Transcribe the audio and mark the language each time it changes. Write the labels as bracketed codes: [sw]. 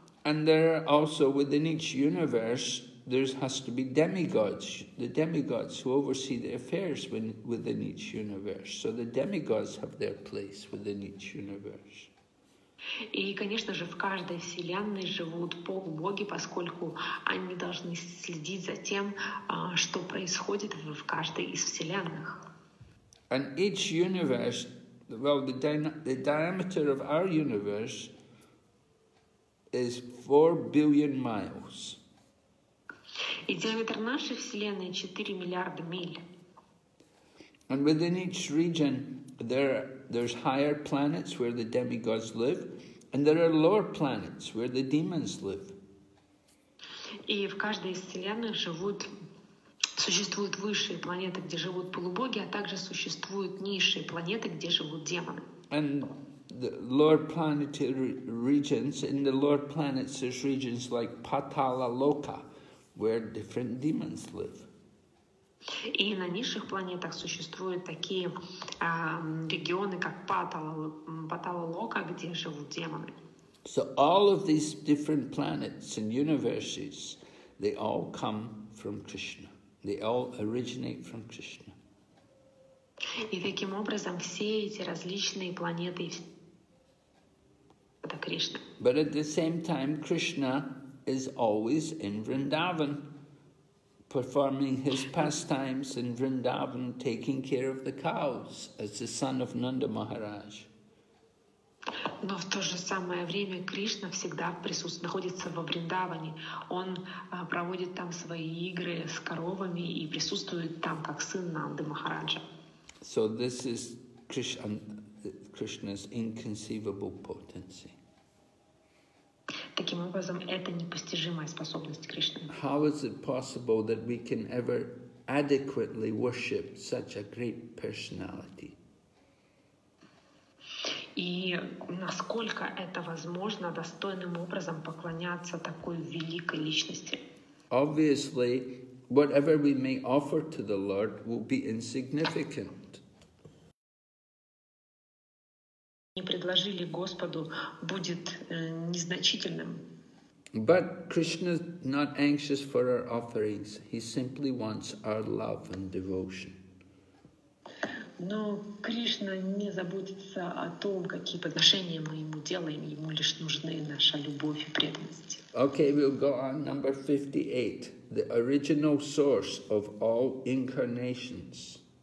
[en] And there are also within each universe, there has to be demigods, the demigods who oversee the affairs within each universe. So the demigods have their place within each universe. [ru] И, конечно же, в каждой вселенной живут полубоги, поскольку они должны следить за тем, что происходит в каждой из вселенных. [en] And each universe, well, the diameter of our universe is 4 billion miles. [ru] И диаметр нашей вселенной 4 миллиарда миль. [en] And within each region there's higher planets where the demigods live, and there are lower planets where the demons live. [ru] И в каждой из вселенных существуют высшие планеты, где живут полубоги, а также существуют низшие планеты, где живут демоны. [en] The lower planetary regions, in the lower planets, there's regions like Patala Loka, where different demons live. [ru] И на низших планетах существуют такие регионы, как Patala Loka, где живут демоны. [en] So all of these different planets and universes, they all come from Krishna. They all originate from Krishna. [ru] И таким образом все эти различные планеты это Кришна. [en] But at the same time, Krishna is always in Vrindavan, performing his pastimes in Vrindavan, taking care of the cows as the son of Nanda Maharaj. [ru] Но в то же самое время Кришна всегда присутствует, находится во Вриндаване. Он проводит там свои игры с коровами и присутствует там как сын Нанды Махараджа. [en] So this is Krishna's inconceivable potency. [ru] Таким образом, это непостижимая способность Кришны. [en] How is it possible that we can ever adequately worship such a great personality? [ru] И насколько это возможно достойным образом поклоняться такой великой личности? [en] Obviously, whatever we may offer to the Lord will be insignificant. [ru] Не предложили Господу, будет незначительным. [en] But Krishna is not anxious for our offerings. He simply wants our love and devotion. [ru] Но Кришна не заботится о том, какие подношения мы ему делаем. Ему лишь нужны наша любовь и преданность. [en] Okay, we'll go on number 58. The original source of all incarnations.